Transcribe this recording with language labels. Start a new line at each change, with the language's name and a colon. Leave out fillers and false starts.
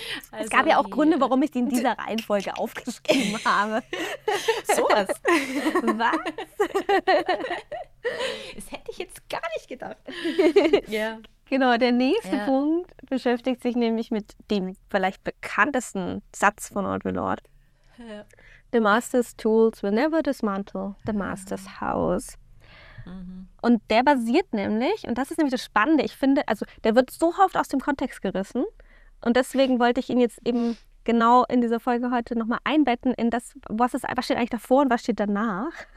German: Also es gab ja auch Gründe, warum ich die in dieser Reihenfolge aufgeschrieben habe. Sowas? Was? Das hätte ich jetzt gar nicht gedacht. Ja. Genau, der nächste Punkt beschäftigt sich nämlich mit dem vielleicht bekanntesten Satz von Audre Lorde. Ja.
English: The master's tools will never dismantle the master's house. Mhm.
German: Und der basiert nämlich, und das ist nämlich das Spannende, ich finde, also der wird so oft aus dem Kontext gerissen. Und deswegen wollte ich ihn jetzt eben genau in dieser Folge heute nochmal einbetten in das, was steht eigentlich davor und was steht danach.